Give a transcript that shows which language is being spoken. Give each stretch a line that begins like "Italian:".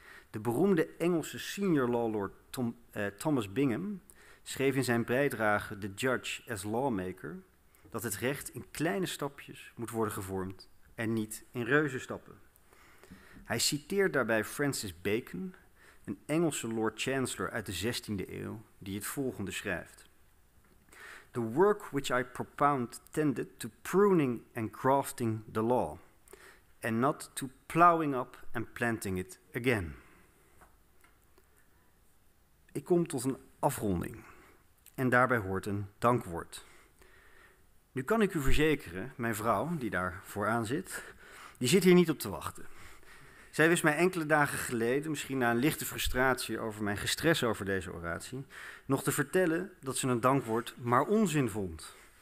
Dutch: De beroemde Engelse senior law lord Thomas Bingham schreef in zijn bijdrage The Judge as Lawmaker dat het recht in kleine stapjes moet worden gevormd en niet in reuzenstappen. Hij citeert daarbij Francis Bacon, een Engelse Lord Chancellor uit de 16e eeuw, die het volgende schrijft.
English: The work which I propound tended to pruning and grafting the law, and not to plowing up and planting it again.
Dutch: Ik kom tot een afronding en daarbij hoort een dankwoord. Nu kan ik u verzekeren, mijn vrouw, die daar vooraan zit, die zit hier niet op te wachten. Zij wist mij enkele dagen geleden, misschien na een lichte frustratie over mijn gestres over deze oratie, nog te vertellen dat ze een dankwoord maar onzin vond.